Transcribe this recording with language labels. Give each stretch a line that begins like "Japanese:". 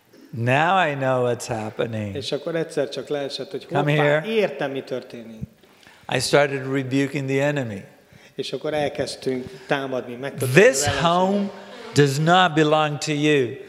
English: Now I know what's happening.
Hungarian: És akkor egyszer csak leesett, hogy értem, mi történik.
English: I started rebuking the enemy.
Hungarian: És akkor elkezdtünk támadni, megtörtént.
English: This home does not belong to you.